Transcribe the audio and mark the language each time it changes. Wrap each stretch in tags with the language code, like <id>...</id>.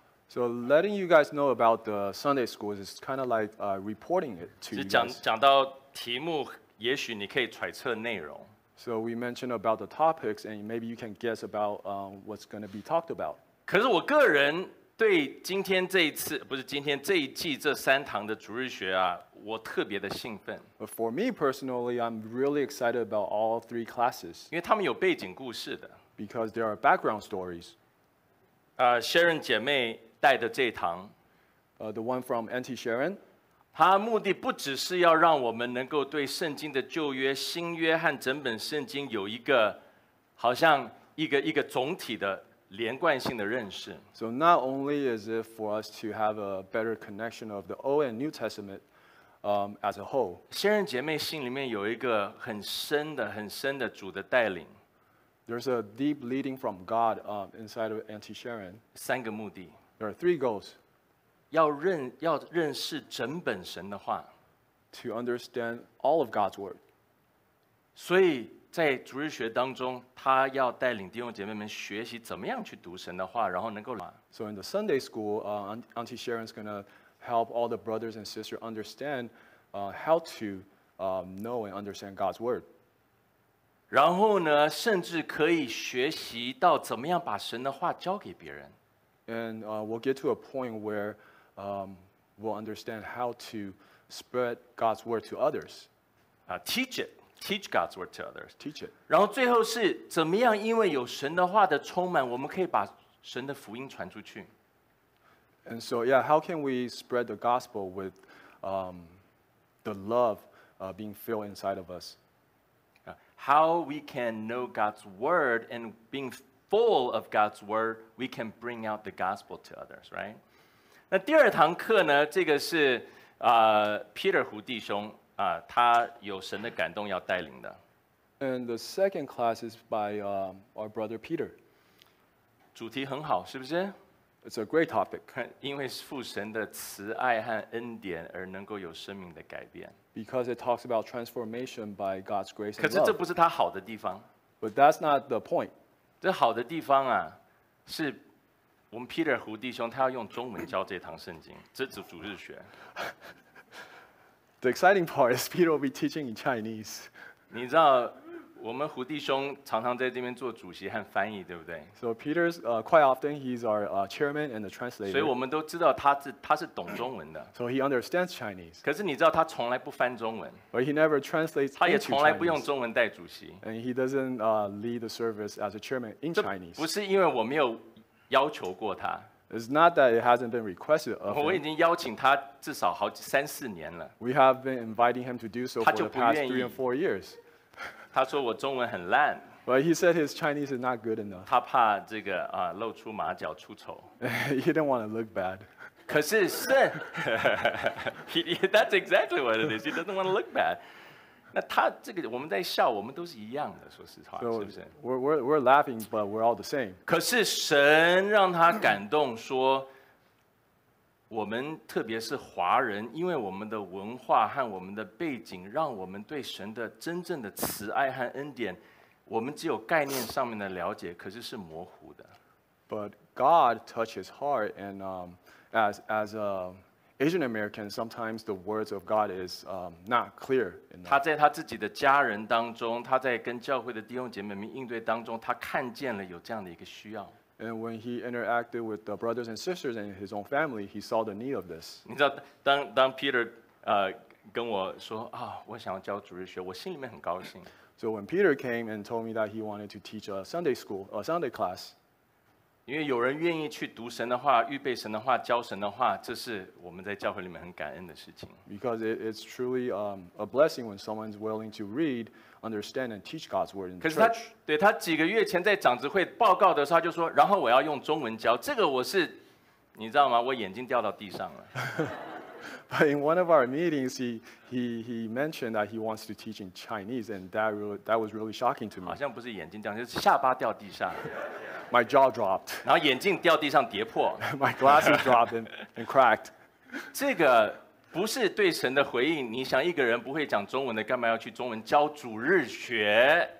<en>So letting you guys know about the Sunday schools is kind of like reporting it to you.</en> <zh>讲到题目，也许你可以揣测内容。</zh> <en>So we mentioned about the topics, and maybe you can guess about what's going to be talked about.</en> <zh>可是我个人对今天这一次，不是今天这一季这三堂的主日学啊，我特别的兴奋。</zh> <en>But for me personally, I'm really excited about all three classes.</en> <zh>因为他们有背景故事的。</zh> <en>Because there are background stories.</en> <zh>Sharon 姐妹。带的这一堂</zh> <en>the one from Auntie Sharon.</en> <zh>他目的不只是要让我们能够对圣经的旧约、新约和整本圣经有一个好像一个总体的连贯性的认识。</zh> <en>So not only is it for us to have a better connection of the Old and New Testament, as a whole.</en> <zh>Sharon 姐妹心里面有一个很深的主的带领。</zh> <en>There's a deep leading from God, inside of Auntie Sharon.</en> <zh>三个目的。</zh> <en>There are three goals.</en> <zh>要认识整本神的话。</zh> <en>To understand all of God's word.</en> <zh>所以在主日学当中，他要带领弟兄姐妹们学习怎么样去读神的话，然后能够。</zh> <en>So in the Sunday school, Auntie Sharon's going to help all the brothers and sisters understand how to know and understand God's word.</en> <zh>然后呢，甚至可以学习到怎么样把神的话教给别人。</zh> <en>And we'll get to a point where we'll understand how to spread God's word to others. Teach God's word to others. Teach it.</en> <zh>然后最后是怎么样？因为有神的话的充满，我们可以把神的福音传出去。</zh> <en>And so, yeah, how can we spread the gospel with the love being filled inside of us? How we can know God's word and being full of God's word, we can bring out the gospel to others, right?</en> <zh>那第二堂课呢？这个是Peter 胡弟兄啊，他有神的感动要带领的。</zh> <en>And the second class is by our brother Peter.</en> <zh>主题很好，是不是</zh> <en>？It's a great topic.</en> <zh>因为父神的慈爱和恩典而能够有生命的改变。</zh> <en>Because it talks about transformation by God's grace.</en> <zh>可是这不是他好的地方。</zh> <en>But that's not the point.</en> <zh>这好的地方啊，是我们 Peter 胡弟兄他要用中文教这堂圣经，这是主日学。</zh> <en>The exciting part is Peter will be teaching in Chinese.</en> <zh>你知道，我们胡弟兄常常在这边做主席和翻译，对不对</zh> <en>？So Peter's quite often he's our chairman and the translator.</en> <zh>所以我们都知道他是懂中文的。</zh> <en>So he understands Chinese.</en> <zh>可是你知道他从来不翻中文。</zh> <en>But he never translates.</en> <zh>他也从来不用中文带主席。</zh> <en>And he doesn't lead the service as a chairman in Chinese.</en> <zh>不是因为我没有要求过他。</zh> <en>It's not that it hasn't been requested of him.</en> <zh>我已经邀请他至少好几三四年了。</zh> <en>We have been inviting him to do so for the past 3 or 4 years.</en> <zh>他说我中文很烂。</zh> <en>Well, he said his Chinese is not good enough.</en> <zh>他怕这个露出马脚出丑。</zh> <en>He didn't want to look bad.</en> <zh>可是圣</zh> <en>That's exactly what it is. He doesn't want to look bad.</en> <zh>那他这个我们在笑，我们都是一样的，说实话，是不是</zh> <en>？We're laughing, but we're all the same.</en> <zh>可是神让他感动说，我们特别是华人，因为我们的文化和我们的背景，让我们对神的真正的慈爱和恩典，我们只有概念上面的了解，可是是模糊的。</zh> <en>But God touches heart, and as a Asian American, sometimes the words of God is not clear enough.</en> <zh>他在他自己的家人当中，他在跟教会的弟兄姐妹们应对当中，他看见了有这样的一个需要。</zh> <en>And when he interacted with the brothers and sisters in his own family, he saw the need of this.</en> <zh>你知道，当 Peter 跟我说啊，我想要教主日学，我心里面很高兴。</zh> <en>So when Peter came and told me that he wanted to teach a Sunday class,</en> <zh>因为有人愿意去读神的话，预备神的话，教神的话，这是我们在教会里面很感恩的事情。</zh> <en>Because it's truly a blessing when someone's willing to read, understand, and teach God's word in the church.</en> <zh>可是他，对，他几个月前在长子会报告的时候，他就说，然后我要用中文教，这个我是，你知道吗？我眼睛掉到地上了。</zh> <en>But in one of our meetings, he mentioned that he wants to teach in Chinese, and that was really shocking to me.</en> <zh>好像不是眼睛掉，就是下巴掉地上。</zh> <en>My jaw dropped.</en> <zh>然后眼镜掉地上跌破。</zh> <en>My glasses dropped and cracked.</en> <zh>这个不是对神的回应。你想一个人不会讲中文的，干嘛要去中文教主日学</zh>